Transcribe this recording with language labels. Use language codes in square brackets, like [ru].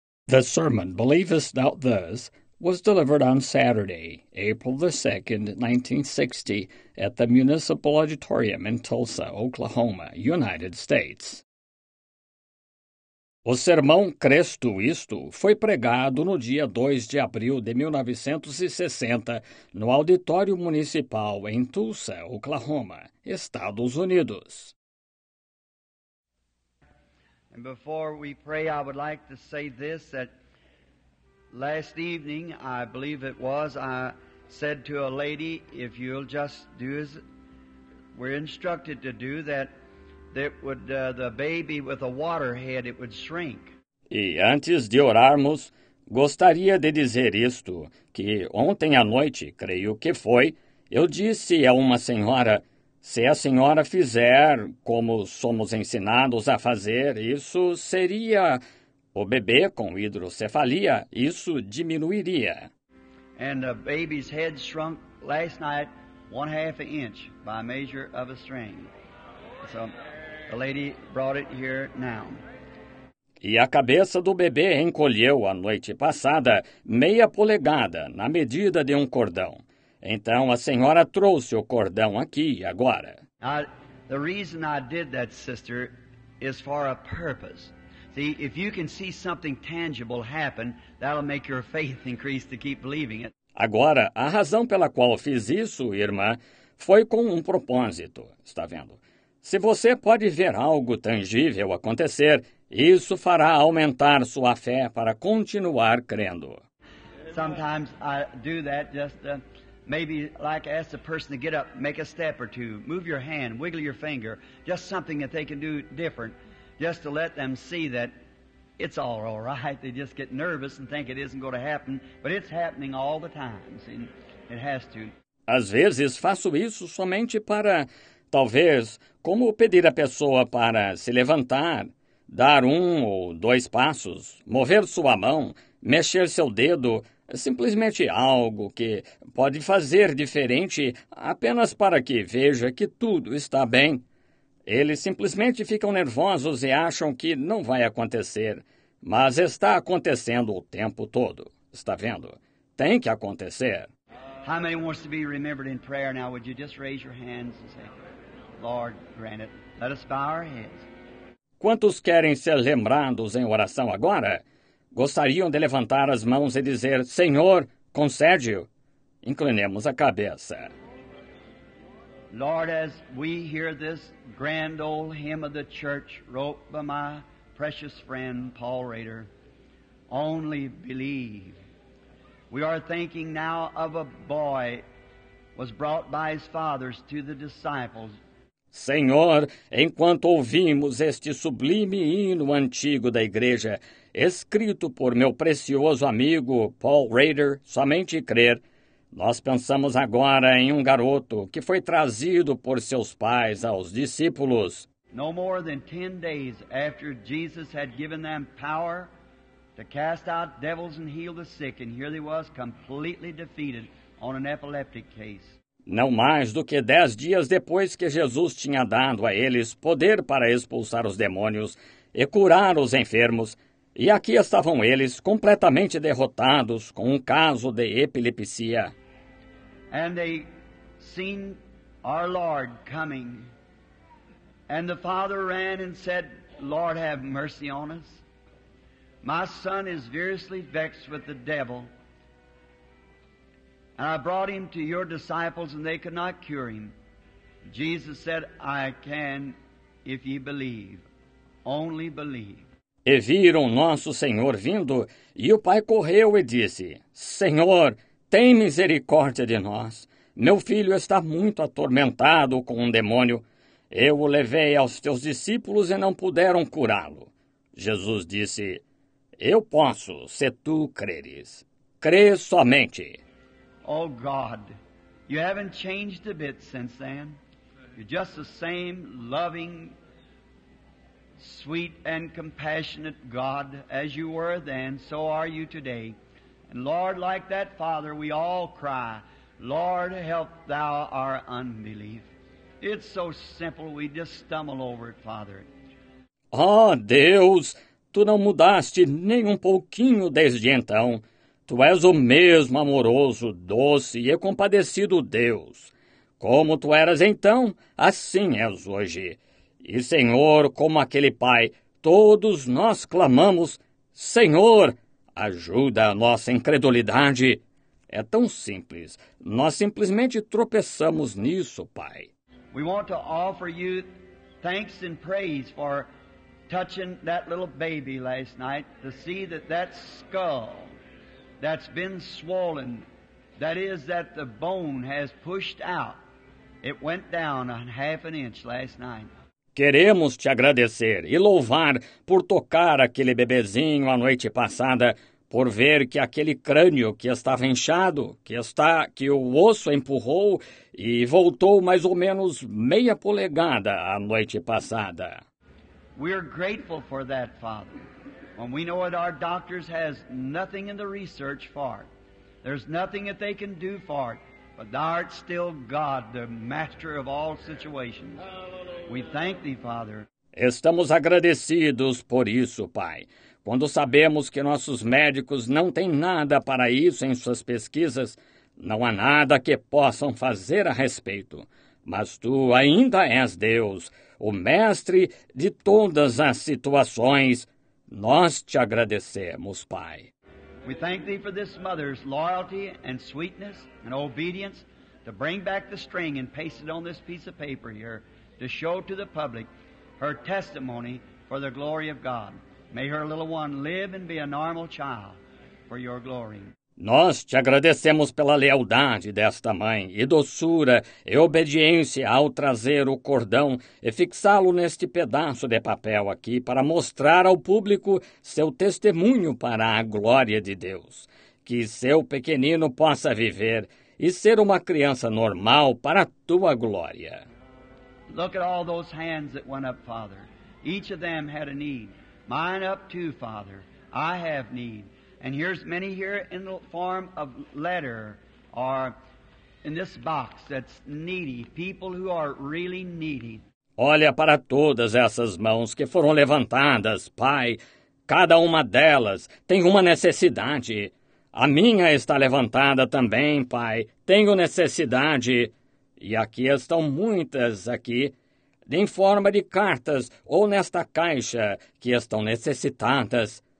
[en] The sermon, Believest Thou This?, was delivered on Saturday, April the 2nd, 1960, at the Municipal Auditorium in Tulsa, Oklahoma, United States. [pt] O sermão Cristo Isto foi pregado no dia 2 de abril de 1960 no Auditório Municipal em Tulsa, Oklahoma, Estados Unidos. [en] And before we pray, I would like to say this, that last evening, I believe it was, I said to a lady, if you'll just do as we're instructed to do, the baby with a water head, it would shrink. [pt] E antes de orarmos, gostaria de dizer isto, que ontem à noite, creio que foi, eu disse a uma senhora, se a senhora fizer como somos ensinados a fazer, isso seria o bebê com hidrocefalia, isso diminuiria. [en] And the baby's head shrunk last night 1/2 inch by measure of a string. So the lady brought it here now. [pt] E a cabeça do bebê encolheu a noite passada 1/2 polegada na medida de um cordão. Então, a senhora trouxe o cordão aqui, agora. [en] The reason I did that, sister, is for a purpose. See, if you can see something tangible happen, that'll make your faith increase to keep believing it. [pt] Agora, a razão pela qual fiz isso, irmã, foi com um propósito, está vendo? Se você pode ver algo tangível acontecer, isso fará aumentar sua fé para continuar crendo. [en] Sometimes I do that just... Maybe like ask the person to get up, make a step or two, move your hand, wiggle your finger, just something that they can do different, just to let them see that it's all right. They just get nervous and think it isn't going to happen, but it's happening all the time. See, it has to. [pt] Às vezes faço isso somente para, talvez, como pedir à pessoa para se levantar, dar um ou dois passos, mover sua mão, mexer seu dedo, simplesmente algo que pode fazer diferente apenas para que veja que tudo está bem. Eles simplesmente ficam nervosos e acham que não vai acontecer, mas está acontecendo o tempo todo. Está vendo? Tem que acontecer. [en] How many wants to be remembered in prayer now? Would you just raise your hands and say, Lord, grant it. Let us bow our heads. [pt] Quantos querem ser lembrados em oração agora? Gostariam de levantar as mãos e dizer, Senhor, concede-o. Inclinemos a cabeça. [en] Lord, as we hear this grand old hymn of the church, wrote by my precious friend Paul Rader, only believe. We are thinking now of a boy was brought by his fathers to the disciples. [pt] Senhor, enquanto ouvimos este sublime hino antigo da igreja, escrito por meu precioso amigo Paul Rader, Somente Crer, nós pensamos agora em um garoto que foi trazido por seus pais aos discípulos. [en] No more than 10 days after Jesus had given them power to cast out devils and heal the sick, and here they was completely defeated on an epileptic case. [pt] Não mais do que 10 dias depois que Jesus tinha dado a eles poder para expulsar os demônios e curar os enfermos, e aqui estavam eles completamente derrotados com um caso de epilepsia. [en] And they seen our Lord coming. And the father ran and said, Lord, have mercy on us. My son is seriously vexed with the devil. And I brought him to your disciples and they could not cure him. Jesus said, I can if ye believe. Only believe. [pt] E viram nosso Senhor vindo, e o pai correu e disse, Senhor, tem misericórdia de nós. Meu filho está muito atormentado com um demônio. Eu o levei aos teus discípulos e não puderam curá-lo. Jesus disse, eu posso, se tu creres. Crê somente. [en] Oh, God, you haven't changed a bit since then. You're just the same loving, sweet and compassionate God as you were then, so are you today. And Lord, like that father, we all cry, Lord, help thou our unbelief. It's so simple, we just stumble over it, Father. [pt] Oh, Deus, Tu não mudaste nem um pouquinho desde então. Tu és o mesmo amoroso, doce e compadecido Deus. Como tu eras então, assim és hoje. E, Senhor, como aquele Pai, todos nós clamamos, Senhor, ajuda a nossa incredulidade. É tão simples. Nós simplesmente tropeçamos nisso, Pai. [en] We want to offer you thanks and praise for touching that little baby last night, to see that that skull that's been swollen, that is, that the bone has pushed out. It went down a half an inch last night. [pt] Queremos te agradecer e louvar por tocar aquele bebezinho a noite passada, por ver que aquele crânio que estava inchado, que o osso empurrou e voltou mais ou menos meia polegada a noite passada. [en] We're grateful for that, Father. When we know that our doctors has nothing in the research for it. There's nothing that they can do for it. But thou art still God, the master of all situations. We thank thee, Father. [pt] Estamos agradecidos por isso, Pai. Quando sabemos que nossos médicos não têm nada para isso em suas pesquisas, não há nada que possam fazer a respeito. Mas tu ainda és Deus, o mestre de todas as situações. Nós te agradecemos, Pai. [en] We thank thee for this mother's loyalty and sweetness and obedience to bring back the string and paste it on this piece of paper here to show to the public her testimony for the glory of God. May her little one live and be a normal child for your glory. [pt] Nós te agradecemos pela lealdade desta mãe e doçura e obediência ao trazer o cordão e fixá-lo neste pedaço de papel aqui para mostrar ao público seu testemunho para a glória de Deus. Que seu pequenino possa viver e ser uma criança normal para a tua glória. [en] Look at all those hands that went up, Father. Each of them had a need. Mine up too, Father. I have need. And here's many here in the form of letter or in this box that's needy, people who are really needy. [pt] Olha para todas essas mãos que foram levantadas, Pai. Cada uma delas tem uma necessidade. A minha está levantada também, Pai. Tenho necessidade. E aqui estão muitas aqui, em forma de cartas ou nesta caixa, que estão necessitadas.